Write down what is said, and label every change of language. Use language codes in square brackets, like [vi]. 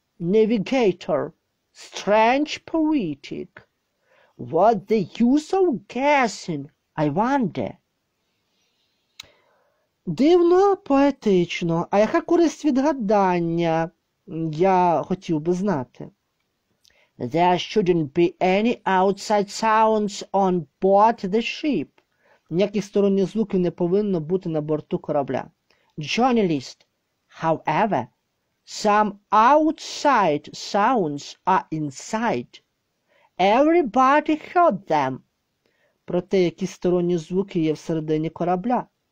[en] Navigator. Strange poetic. What the use of guessing, I wonder. [uk] Дивно, поетично. А яка користь від гадання, я хотів би знати. [en] There shouldn't be any outside sounds on board the ship. [uk] Ніяких сторонніх звуків не повинно бути на борту корабля. [en] Journalist, however, some outside sounds are inside. Everybody heard them. [uk] Проте які сторонні звуки є всередині корабля?